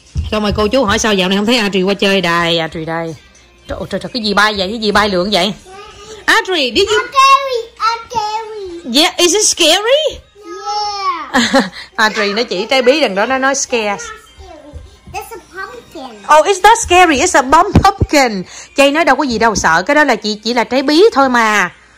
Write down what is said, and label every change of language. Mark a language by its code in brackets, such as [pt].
[vi] Rồi mời cô chú hỏi sao dạo này không thấy Audrey qua chơi. Đây, Audrey đây. Trời, cái gì bay vậy? Cái gì bay lượn vậy? [en] Audrey, did you... I'm scary. Yeah, is it scary? Yeah. [vi] Audrey, nó chỉ trái bí đằng đó, nó nói scare. [en] That's a pumpkin. Oh, it's not scary, it's a bomb pumpkin. [vi] Jay nói đâu có gì đâu sợ, cái đó là chỉ là trái bí thôi mà.